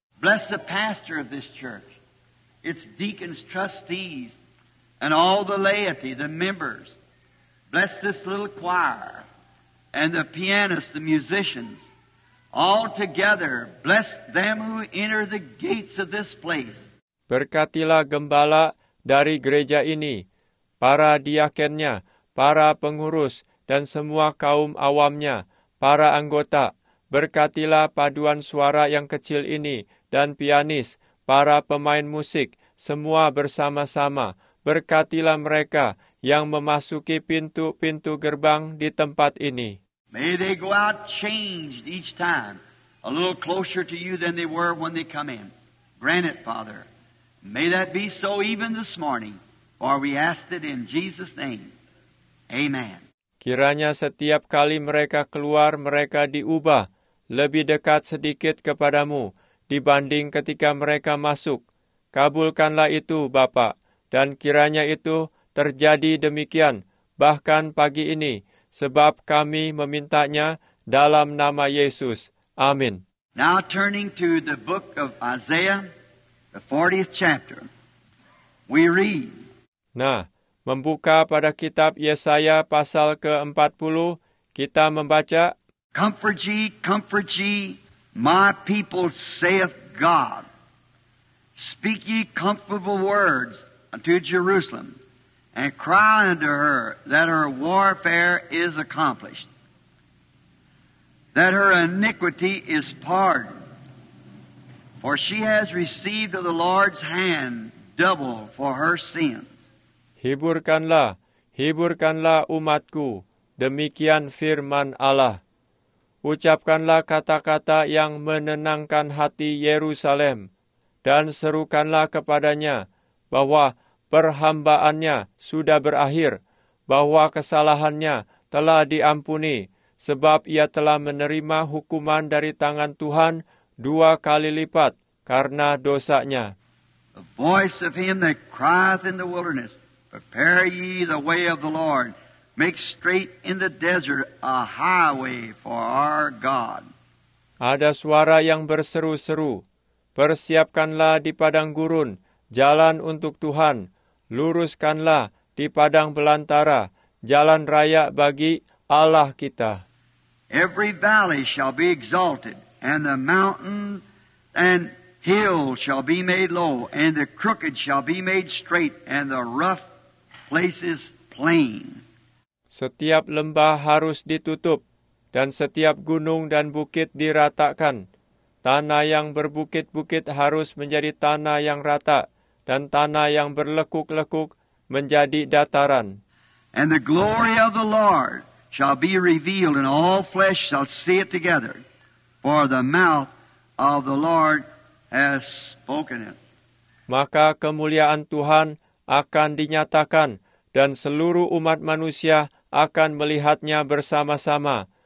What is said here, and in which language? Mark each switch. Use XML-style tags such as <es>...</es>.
<en>Bless the pastor of this church, its deacons, trustees, and all the laity, the members. Bless this little choir, and the pianists, the musicians, all together, bless them who enter the gates of this place.</en> <id>Berkatilah gembala dari gereja ini, para diakennya, para pengurus, dan semua kaum awamnya, para anggota. Berkatilah paduan suara yang kecil ini, dan pianis, para pemain musik, semua bersama-sama. Berkatilah mereka yang memasuki pintu-pintu gerbang di tempat ini.</id> <en>May they go out changed each time, a little closer to you than they were when they come in. Grant it, Father. May that be so even this morning, for we ask it in Jesus' name. Amen.</en> <id>Kiranya setiap kali mereka keluar, mereka diubah, lebih dekat sedikit kepadamu, dibanding ketika mereka masuk. Kabulkanlah itu, Bapa, dan kiranya itu terjadi demikian, bahkan pagi ini, sebab kami memintanya dalam nama Yesus. Amin.</id> <en>Now turning to the book of Isaiah, the 40th chapter, we read.</en> <id>Nah, membuka pada kitab Yesaya pasal ke-40, kita membaca.</id> <en>Comfort ye, my people, saith God. Speak ye comfortable words unto Jerusalem. And cry unto her that her warfare is accomplished, that her iniquity is pardoned. For she has received of the Lord's hand double for her sins.</en> <id>Hiburkanlah, hiburkanlah umatku, demikian firman Allah. Ucapkanlah kata-kata yang menenangkan hati Yerusalem, dan serukanlah kepadanya bahwa perhambaannya sudah berakhir, bahwa kesalahannya telah diampuni, sebab ia telah menerima hukuman dari tangan Tuhan dua kali lipat karena dosanya.</id> <en>The voice of him that crieth in the wilderness, prepare ye the way of the Lord, make straight in the desert a highway for our God.</en> <id>Ada suara yang berseru-seru, persiapkanlah di padang gurun jalan untuk Tuhan. Luruskanlah di padang belantara jalan raya bagi Allah kita.</id> <en>Every valley shall be exalted, and the mountain and hill shall be made low, and the crooked shall be made straight, and the rough places plain.</en> <id>Setiap lembah harus ditutup, dan setiap gunung dan bukit diratakan. Tanah yang berbukit-bukit harus menjadi tanah yang rata, dan tanah yang berlekuk-lekuk menjadi dataran.</id> <en>And the glory of the Lord shall be revealed, and all flesh shall see it together, for the mouth of the Lord has spoken it.</en> <id>Maka kemuliaan Tuhan akan dinyatakan, dan seluruh umat manusia akan melihatnya bersama-sama.</id>